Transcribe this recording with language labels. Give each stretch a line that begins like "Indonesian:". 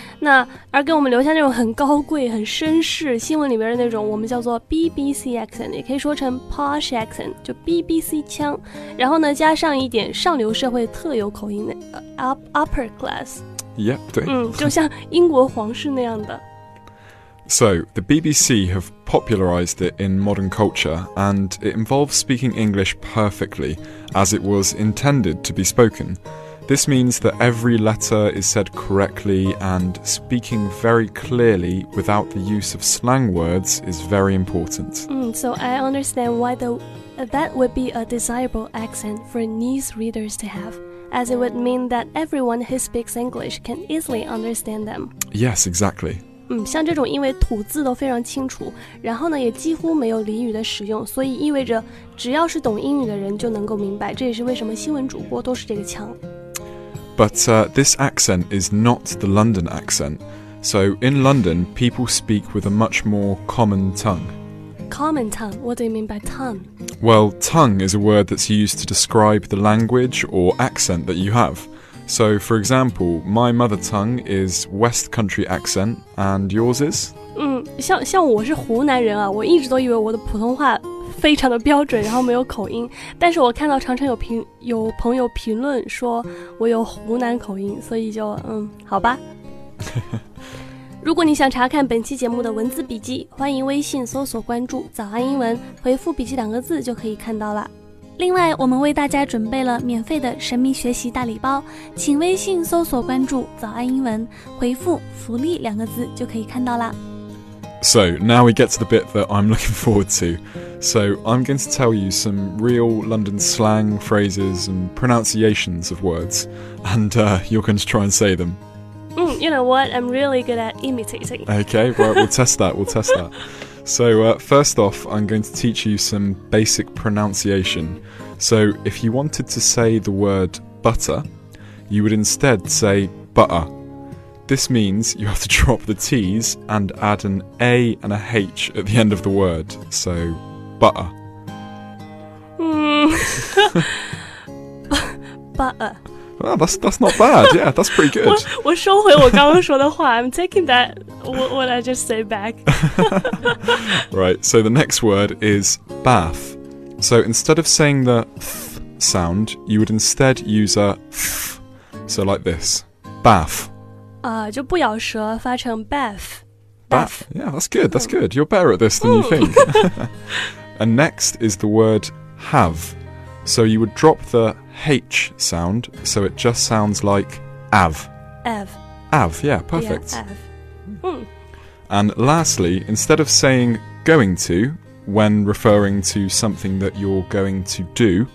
Chinese: 那而给我们留下那种很高贵、很绅士新闻里边的那种，我们叫做 BBC accent， 也可以说成 posh accent， 就 BBC 腔。然后呢，加上一点上流社会特有口音的、upper class。
English: Yeah,
Chinese: 对。就像英国皇室那样的。
English: So, the BBC have popularized it in modern culture, and it involves speaking English perfectly, as it was intended to be spoken. This means that every letter is said correctly, and speaking very clearly without the use of slang words is very important. So I understand why that would be a desirable accent for news readers to have. As it would mean that everyone who speaks English can easily understand them. Yes, exactly.
Chinese: 像这种因为吐字都非常清楚，然后呢也几乎没有俚语的使用，所以意味着只要是懂英语的人就能够明白，这也是为什么新闻主播都是这个腔。
English: But this accent is not the London accent. So in London, people speak with a much more common tongue. Common tongue. What do you mean by tongue? Well, tongue is a word that's used to describe the language or accent that you have. So, for example, my mother tongue is West Country accent, and yours is?
Chinese: 像我是湖南人啊，我一直都以为我的普通话非常的标准，然后没有口音。但是我看到常常有朋友评论说我有湖南口音，所以就好吧。如果你想查看本期节目的文字笔记，欢迎微信搜索关注早安英文，回复笔记两个字就可以看到了。另外，我们为大家准备了免费的神秘学习大礼包，请微信搜索关注早安英文，回复福利两个字就可以看到了。
English: So, now we get to the bit that I'm looking forward to. So, I'm going to tell you some real London slang phrases and pronunciations of words, and you're going to try and say them. You know what? I'm really good at imitating. Okay, right, we'll test that. So, first off, I'm going to teach you some basic pronunciation. So, if you wanted to say the word butter, you would instead say butter. This means you have to drop the T's and add an A and a H at the end of the word. So, butter. butter. Oh, that's not bad. Yeah, that's pretty good.
Chinese: 我收回我刚刚说的话
English: I'm taking that what I just said back. Right, so the next word is bath. So instead of saying the th sound, you would instead use a f. So like this, bath.
Chinese: 就不咬舌发成 bath.
English: Bath. Yeah, that's good, that's good. You're better at this than you think. And next is the word have. So you would drop the H sound, so it just sounds like av. Av. Av, yeah, perfect. Yeah, av. And lastly, instead of saying going to, when referring to something that you're going to do,